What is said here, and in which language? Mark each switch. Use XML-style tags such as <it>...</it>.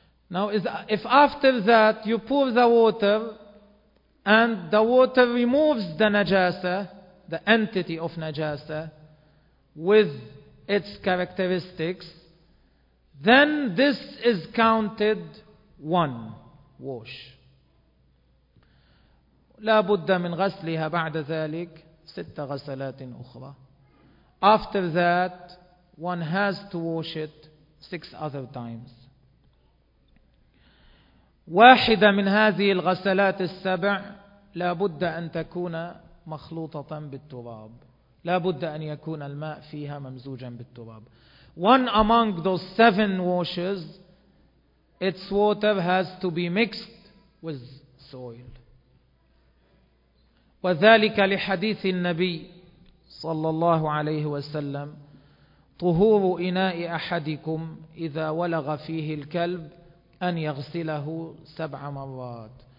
<en>Now, if after that you pour the water and the water removes the najasa, the entity of najasa, with its characteristics, then this is counted one wash.</en> <ar>لا بد من غسلها بعد ذلك ست غسلات أخرى.</ar> <en>After that, one has to wash it six other times.</en> <ar>واحدة من هذه الغسلات السبع لا بد أن تكون مخلوطة بالتراب. لا بد أن يكون الماء فيها ممزوجا بالتراب.</ar> <en>One among those seven washes, its water has to be mixed with soil.</en> <ar>وذلك لحديث النبي صلى الله عليه وسلم طهور إناء أحدكم إذا ولغ فيه الكلب أن يغسله سبع مرات.</ar>